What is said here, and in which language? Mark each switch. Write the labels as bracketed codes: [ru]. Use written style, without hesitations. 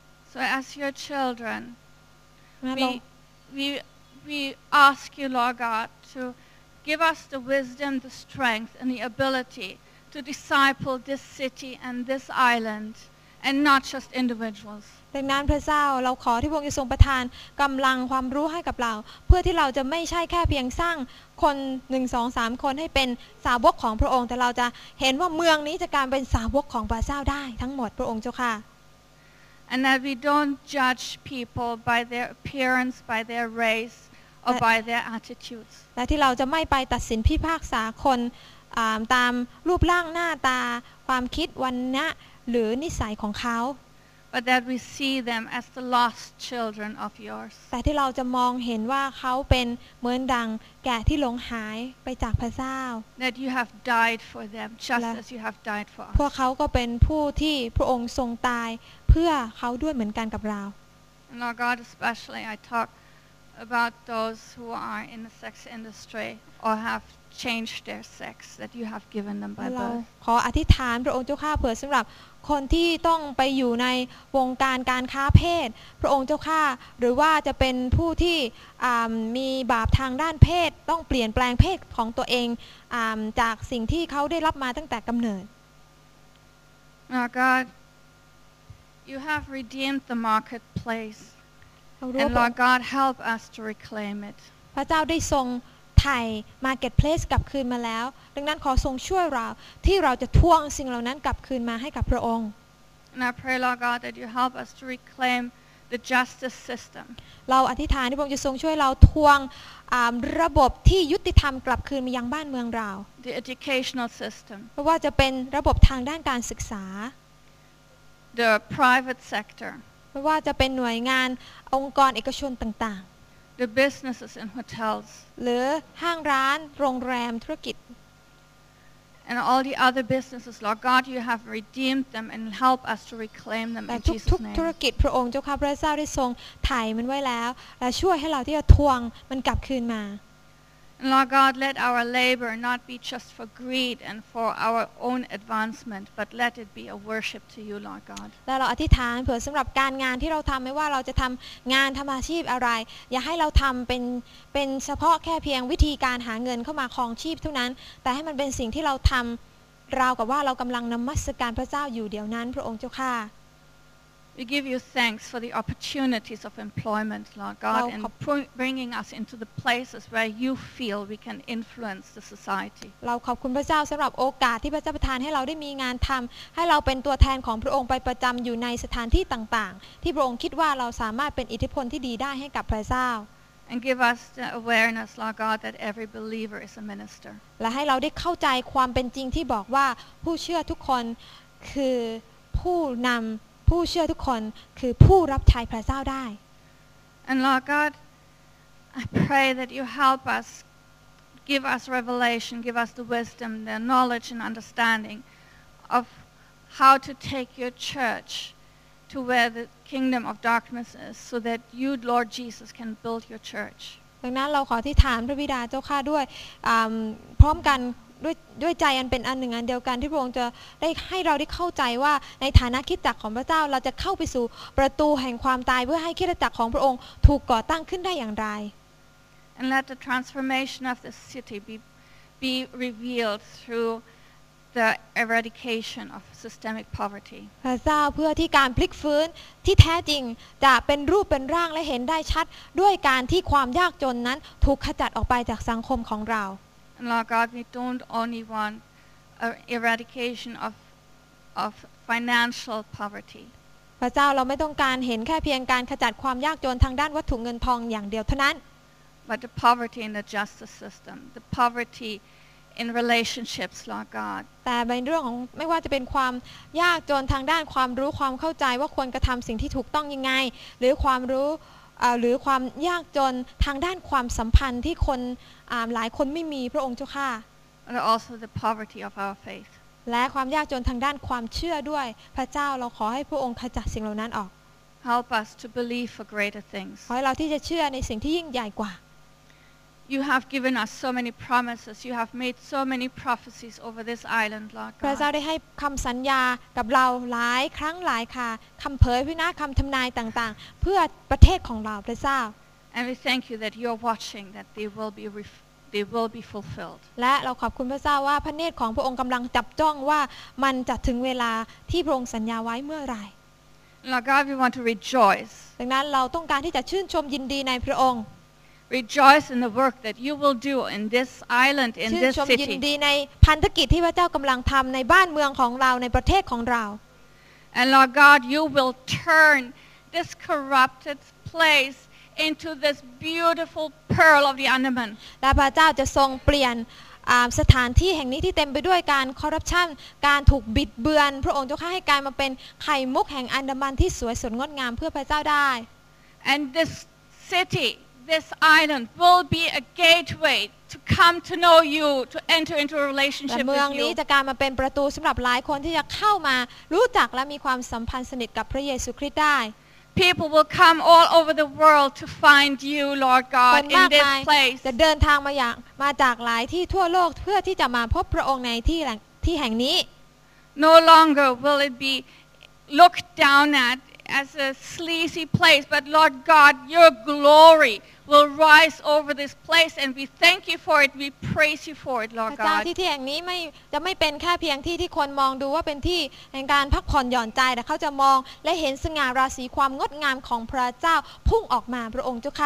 [en] So as your children, we ask you, Lord God, to give us the wisdom, the strength, and the ability to disciple this city and this island, and not just individuals. [th] ดังนั้นพระเจ้าเราขอที่พระองค์จะทรงประทานกำลังความรู้ให้กับเราเพื่อที่เราจะไม่ใช่แค่เพียงสร้างคน1 2 3คนให้เป็นสาวกของพระองค์แต่เราจะเห็นว่าเมืองนี้จะกลายเป็นสาวกของพระเจ้าได้ทั้งหมดพระองค์เจ้าค่ ะ [en] And that we don't judge people by their appearance by their race or by their attitudes [th] และที่เราจะไม่ไปตัดสินพิพากษาคนตามรูปร่างหน้าตาความคิดวรรณะหรือนิสัยของเขา [en] But that we see them as the lost children of yours. [th] แต่ที่เราจะมองเห็นว่าเขาเป็นเหมือนดังแก่ที่หลงหายไปจากพระเจ้า [en] That you have died for them, just as you have died for us. [th] พวกเขาก็เป็นผู้ที่พระองค์ทรงตายเพื่อเขาด้วยเหมือนกันกับเรา [en] Lord God, especially I talk about those who are in the sex industry or have. Change their sex that you have given them by birth. [th] ขออธิษฐานพระองค์เจ้าข้าเผื่อสำหรับคนที่ต้องไปอยู่ในวงการการค้าเพศพระองค์เจ้าข้าหรือว่าจะเป็นผู้ที่มีบาปทางด้านเพศต้องเปลี่ยนแปลงเพศของตัวเองจากสิ่งที่เขาได้รับมาตั้งแต่กำเนิด [en] God, you have redeemed the marketplace, and Lord God, help us to reclaim it. [th] พระเจ้าได้ทรงไทย marketplace กลับคืนมาแล้วดังนั้นขอทรงช่วยเราที่เราจะทวงสิ่งเหล่านั้นกลับคืนมาให้กับพระองค์ [en] And I pray Lord God that you help us to reclaim the justice system. [th] เราอธิษฐานให้พระองค์จะทรงช่วยเราทวงระบบที่ยุติธรรมกลับคืนมายังบ้านเมืองเรา [en] The educational system. [th] เพราะว่าจะเป็นระบบทางด้านการศึกษา [en] The private sector. [th] เพราะว่าจะเป็นหน่วยงานองค์กรเอกชนต่าง [en] ๆ The businesses and hotels. [th] หรือห้างร้านโรงแรมธุรกิจ [en] And all the other businesses, Lord God, you have redeemed them and help us to reclaim them in Jesus' name. [th] ทุกธุรกิจพระองค์เจ้าค่ะพระเจ้าได้ทรงไถ่มันไว้แล้วและช่วยให้เราที่จะทวงมันกลับคืนมา [en] And Lord God, let our labor not be just for greed and for our own advancement, but let it be a worship to you, Lord God. [th] และเราอธิษฐานเผื่อสำหรับการงานที่เราทำไม่ว่าเราจะทำงานทำอาชีพอะไรอย่าให้เราทำเป็นเฉพาะแค่เพียงวิธีการหาเงินเข้ามาครองชีพเท่านั้นแต่ให้มันเป็นสิ่งที่เราทำราวกับว่าเรากำลังนมัสการพระเจ้าอยู่เดียวนั้นพระองค์เจ้าค่ะ [en] We give you thanks for the opportunities of employment, Lord God, and bringing us into the places where you feel we can influence the society. [th] เราขอบคุณพระเจ้าสำหรับโอกาสที่พระเจ้าประทานให้เราได้มีงานทำให้เราเป็นตัวแทนของพระองค์ไปประจำอยู่ในสถานที่ต่างๆที่พระองค์คิดว่าเราสามารถเป็นอิทธิพลที่ดีได้ให้กับพระเจ้า [en] And give us the awareness, Lord God, that every believer is a minister. [th] และให้เราได้เข้าใจความเป็นจริงที่บอกว่าผู้เชื่อทุกคนคือผู้นำผู้เชื่อทุกคนคือผู้รับใช้พระเจ้าได้ [en] And Lord God I pray that you help us give us revelation give us the wisdom the knowledge and understanding of how to take your church to where the kingdom of darkness is so that you Lord Jesus can build your church [th] ดังนั้นเราขอที่ฐานพระบิดาเจ้าค่ะด้วยพร้อมกันด้วยใจอันเป็นอันหนึ่งอันเดียวกันที่พระองค์จะได้ให้เราได้เข้าใจว่าในฐานะคริสตจักรของพระเจ้าเราจะเข้าไปสู่ประตูแห่งความตายเพื่อให้คริสตจักรของพระองค์ถูกก่อตั้งขึ้นได้อย่างไร [en] And let the transformation of the city be revealed through the eradication of systemic poverty [th] พระเจ้าเพื่อที่การพลิกฟื้นที่แท้จริงจะเป็นรูปเป็นร่างและเห็นได้ชัดด้วยการที่ความยากจนนั้นถูกขจัดออกไปจากสังคมของเรา [en] Lord God, we don't only want eradication of financial poverty. [th] พระเจ้าเราไม่ต้องการเห็นแค่เพียงการขจัดความยากจนทางด้านวัตถุเงินทองอย่างเดียวเท่านั้น [en] But the poverty in the justice system, the poverty in relationships, Lord God. [th] แต่ในเรื่องของไม่ว่าจะเป็นความยากจนทางด้านความรู้ความเข้าใจว่าควรกระทำสิ่งที่ถูกต้องยังไงหรือความรู้หรือความยากจนทางด้านความสัมพันธ์ที่คนหลายคนไม่มีพระองค์เจ้าค่ะ [en] And also the poverty of our faith [th] และความยากจนทางด้านความเชื่อด้วยพระเจ้าเราขอให้พระองค์ขจัดสิ่งเหล่านั้นออก [en] Help us to believe for greater things [th] ขอให้เราที่จะเชื่อในสิ่งที่ยิ่งใหญ่กว่า [en] You have given us so many promises you have made so many prophecies over this island Lord God [th] พระเจ้าได้ให้คำสัญญากับเราหลายครั้งหลายคาคำเผยพระนามคำทำนายต่างๆเพื่อประเทศของเราพระเจ้า [en] And we thank you that you're watching that they will be fulfilled [th] และเราขอบคุณพระเจ้าว่าพระเนตรของพระองค์กำลังจับจ้องว่ามันจะถึงเวลาที่พระองค์สัญญาไว้เมื่อไหร่ [en] Lord God we want to rejoice [th] ดังนั้นเราต้องการที่จะชื่นชมยินดีในพระองค์ [en] Rejoice in the work that you will do in this island, in this city. [th] ชื่นชมยินดีในพันธกิจที่พระเจ้ากำลังทำในบ้านเมืองของเราในประเทศของเรา [en] And Lord God, you will turn this corrupted place into this beautiful pearl of the Andaman. [th] และพระเจ้าจะทรงเปลี่ยนสถานที่แห่งนี้ที่เต็มไปด้วยการคอร์รัปชันการถูกบิดเบือนพระองค์เจ้าค่ะให้กลายมาเป็นไข่มุกแห่งอันดามันที่สวยสดงดงามเพื่อพระเจ้าได้ [en] And this city. This island will be a gateway to come to know you, to enter into a relationship with you. [th] เมืองนี้จะกลายมาเป็นประตูสำหรับหลายคนที่จะเข้ามารู้จักและมีความสัมพันธ์สนิทกับพระเยซูคริสต์ได้ [en] People will come all over the world to find you, Lord God, in this place. [th] จะเดินทางมาจากหลายที่ทั่วโลกเพื่อที่จะมาพบพระองค์ในที่แห่งนี้ [en] No longer will it be looked down at. As a sleazy place, but Lord God, your glory will rise over this place, and we thank you for it. We praise you for it, Lord God. [th] พระเจ้าที่แห่งนี้จะไม่เป็นแค่เพียงที่ที่คนมองดูว่าเป็นที่แห่งการพักผ่อนหย่อนใจแต่เขาจะมองและเห็นสง่าราศีความงดงามของพระเจ้าพุ่งออกมาพระองค์เจ้าค